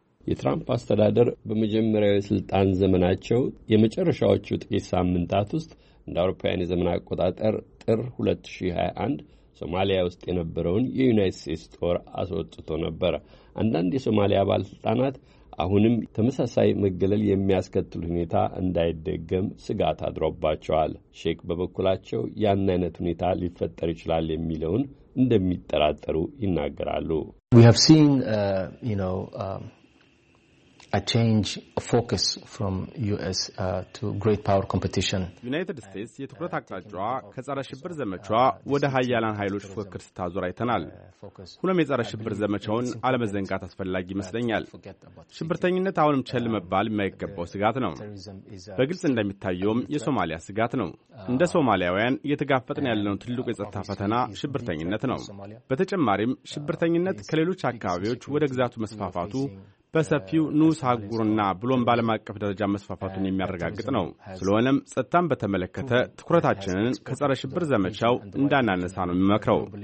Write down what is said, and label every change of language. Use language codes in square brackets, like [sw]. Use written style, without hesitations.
[am] የትራምፕ አስተዳደር በመጀመሪያው የስልጣን ዘመናቸው የመጨረሻዎቹ ጥቂት ሳምንታት ውስጥ እንደ አውሮፓውያን የዘመን አቆጣጠር ጥር 2021 ሶማሊያ ውስጥ የነበረውን የዩናይትድ ስቴትስ ጦር አስወጥቶ ነበር። አንዳንድ የሶማሊያ ባለሥልጣናት አሁንም ተመሳሳይ መገለል የሚያስከትል ሁኔታ እንዳይደገም ስጋት አድሮባቸዋል። ሼክ በበኩላቸው ያን አይነት ሁኔታ ሊፈጠር ይችላል የሚለውን እንደሚጠራጠሩ ይናገራሉ። [en] We have seen, you know, a change of focus from US to great power competition. [am] United States የትኩረት አቅጣጫዋ ከጸረ ሽብር ዘመቻዋ ወደ ሀያላን ኃይሎች ፉክክር ስታዞር አይተናል። ሁሉም የጸረ ሽብር ዘመቻውን አለመዘንጋት አስፈላጊ ይመስለኛል። ሽብርተኝነት አሁንም ቸል መባል የማይገባው ስጋት ነው። በግልጽ እንደሚታየውም የሶማሊያ ስጋት ነው። እንደ ሶማሊያውያን እየተጋፈጥን ያለነው ትልቁ የጸጥታ ፈተና ሽብርተኝነት ነው። በተጨማሪም ሽብርተኝነት ከሌሎች አካባቢዎች ወደ ግዛቱ መስፋፋቱ በሰፊው ንዑስ አህጉርና ብሎም በዓለም አቀፍ ደረጃ መስፋፋቱን የሚያረጋግጥ ነው። ስለሆነም ጸጥታን በተመለከተ ትኩረታችንን ከጸረ ሽብር ዘመቻው እንዳናነሳ ነው የሚመክረው።